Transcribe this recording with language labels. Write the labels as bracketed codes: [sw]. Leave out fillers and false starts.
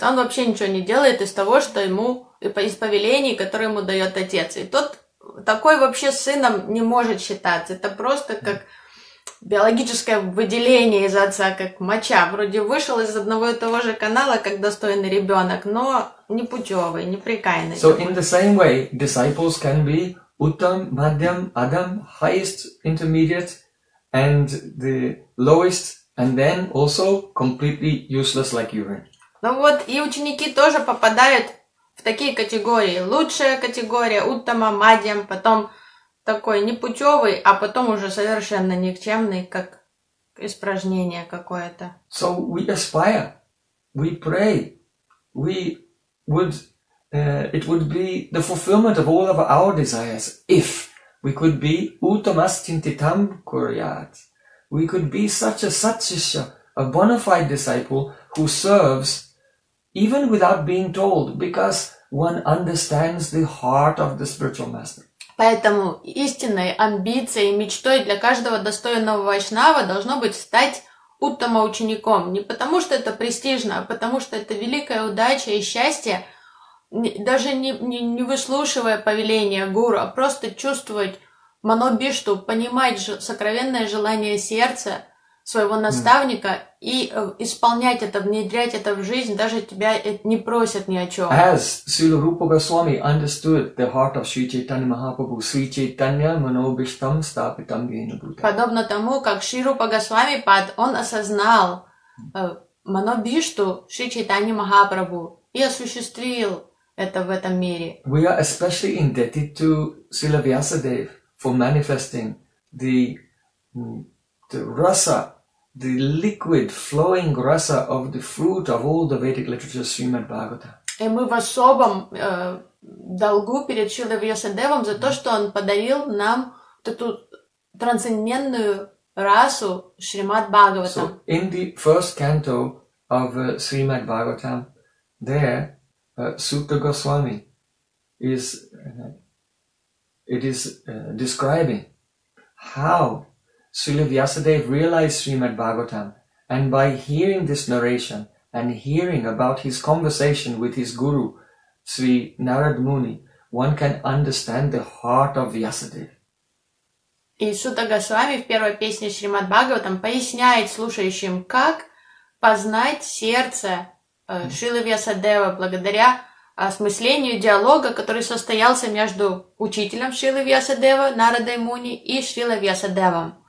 [ru] Он вообще ничего не делает из того, что ему, из повелений, которые ему дает отец. И тот такой вообще сыном не может считаться. Это просто как биологическое выделение из отца, как моча. Вроде вышел из одного и того же канала, как достойный ребенок, но непутевый, неприкаянный. [en] So in the same way, disciples can be Uttam, Madhyam, Adam, highest intermediate and the lowest, and then also completely useless like urine. [ru] Ну вот, и ученики тоже попадают в такие категории. Лучшая категория, Уттама, Мадьям, потом такой непутевый, а потом уже совершенно никчемный, как испражнение какое-то. [en] So we aspire, we pray, we would, it would be the fulfillment of all of our desires if we could be [sa] Uttamas Chintitam Kuryat. [en] We could be such a satshishya, a bona fide disciple who serves even without being told, because one understands the heart of the spiritual master. [ru] Поэтому истинной амбицией, мечтой для каждого достойного вайшнава должно быть стать уттама учеником. Не потому что это престижно, а потому что это великая удача и счастье, даже не выслушивая повеления гуру, а просто чувствовать манобишту, понимать сокровенное желание сердца своего наставника и исполнять это, внедрять это в жизнь, даже тебя не просят ни о чем. [en] As Srila Rupa Goswami understood the heart of [sa] Sri Chaitanya Mahaprabhu, Sri Chaitanya manobhishtam sthapitam yena bhuta. [ru] Подобно тому, как Шри Рупа Госвами Пад, он осознал манобишту Шри Чайтани Махапрабху и осуществил это в этом мире. [en] We are especially indebted to Srila Vyasadev for manifesting the rasa, the liquid flowing rasa of the fruit of all the Vedic literature, Srimad Bhagavata. [ru] И мы в особом долгу перед Шрилой Вьясадевом за то, что он подарил нам эту трансцендентную расу Шримад Бхагаватам. [en] So, in the first canto of Srimad Bhagavatam, there, Sukta Goswami is... It is describing how Srila Vyasadeva realized Srimad Bhagavatam, and by hearing this narration and hearing about his conversation with his guru, Sri Narad Muni, one can understand the heart of Vyasadeva. [ru] И Сута Госвами в первой песне Шримад Бхагаватам поясняет слушающим, как познать сердце Шрилы Вьясадева благодаря осмыслению диалога, который состоялся между учителем Шрилы Вьясадева, Нарадой Муни, и Шрилой Вьясадевом.